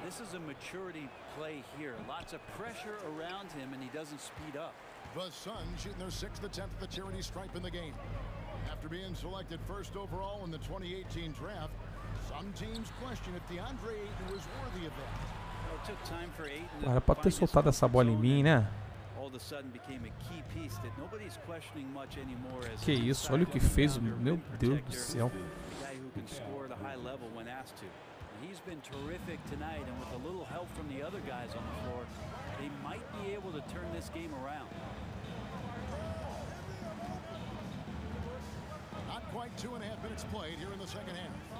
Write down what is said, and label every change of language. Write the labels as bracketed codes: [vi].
[en] This is a maturity play here. Lots of pressure around him, and he doesn't speed up. The Suns shooting their sixth attempt at the charity stripe in the game. After being selected first overall in the 2018 draft, some teams question if DeAndre Ayton was worthy of that. Well, it took time for Ayton. [pt] Era pra ter soltado essa bola em mim, né? [en] All of a sudden became a key piece that nobody's questioning much anymore. [pt] Que isso? Olha o que fez, meu Deus do céu. [en] A guy who can score the high level when asked to. He's been terrific tonight, and with a little help from the other guys on the floor, they might be able to turn this game around. quite 2.5 minutes played here in the second half.